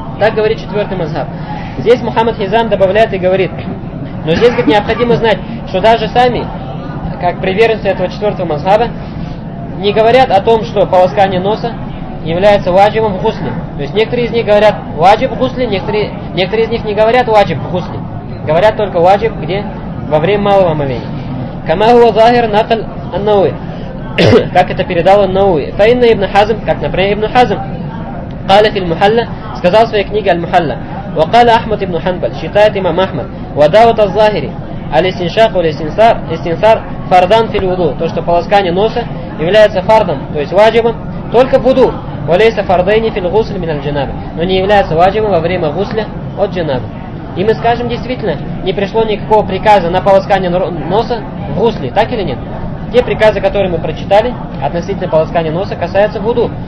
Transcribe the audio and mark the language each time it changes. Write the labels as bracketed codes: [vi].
[ru] Так говорит четвертый мазхаб. Здесь Мухаммад Хизам добавляет и говорит, но здесь, говорит, необходимо знать, что даже сами, как приверженцы этого четвертого мазхаба, не говорят о том, что полоскание носа является ваджибом в гусле. То есть некоторые из них говорят ваджиб в гусле, некоторые из них не говорят ваджиб в гусле. Говорят только ваджиб, где? Во время малого омовения. [ar] Камахуа Захир Накаль Аннауи. [ru] Как это передал Ан-Науи. [ar] Фаинна ибн Хазм, [ru] как например ибн Хазм, [ar] قال في المحلة, [ru] сказал в своей книге المحلة, [ar] وقال أحمد ابن حنبل, [ru] считает имам Ахмад, [ar] وداوت الظاهري, الاستنشاق والاستنثار فردان في الوضوء. [ru] То, что полоскание носа является фардом, то есть ваджибом, только в вуду, [ar] وليس فردين في الغسل من الجناب. [ru] Но не является ваджибом во время гусля от джанаба. И мы скажем, действительно, не пришло никакого приказа на полоскание носа в гусле, так или нет? Те приказы, которые мы прочитали относительно полоскания носа, касаются вуду.